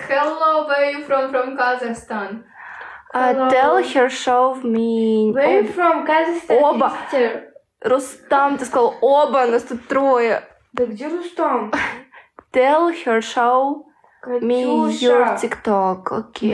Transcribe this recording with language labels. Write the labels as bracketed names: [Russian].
[English] Hello, where are you from Kazakhstan? Tell her, show me. Where are you from Kazakhstan? [Russian] Оба. Рустам, ты сказал, оба, нас тут трое. Да где Рустам? [English] Tell her, show me your TikTok, окей.